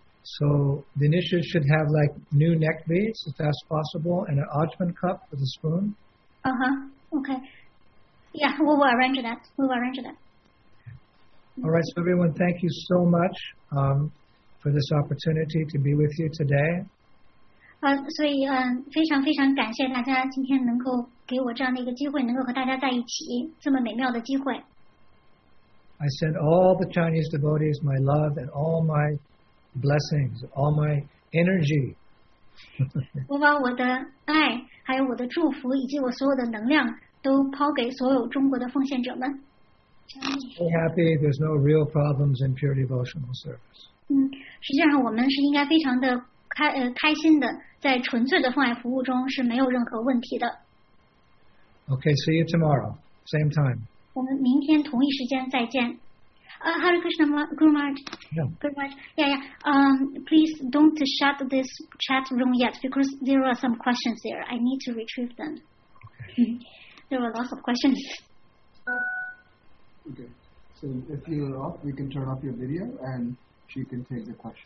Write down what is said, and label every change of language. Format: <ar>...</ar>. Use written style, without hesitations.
<en>So the initiates should have like new neck beads, if that's possible, and an Ajman cup with a spoon. Uh-huh. Okay. Yeah, we will arrange that. All right, so everyone, thank you so much for this opportunity to be with you today.</en> <zh>非常非常感谢大家今天能够给我这样的一个机会，能够和大家在一起，这么美妙的机会。</zh> <en>I send all the Chinese devotees my love and all my blessings, all my energy.</en> <zh>我把我的爱，还有我的祝福，以及我所有的能量，都抛给所有中国的奉献者们。</zh> <en>So happy there's no real problems in pure devotional service.</en> <zh>实际上我们是应该非常的开心的，在纯粹的奉爱服务中是没有任何问题的。</zh> <en>Okay, see you tomorrow, same time.</en> <zh>我们明天同一时间再见。</zh> <en>Hare Krishna, Guru Maharaj. Yeah. Guru Maharaj. Yeah, yeah. Please don't shut this chat room yet because there are some questions there. I need to retrieve them. Okay. There were lots of questions. Okay. So if you're off, we can turn off your video and she can take the questions.</en>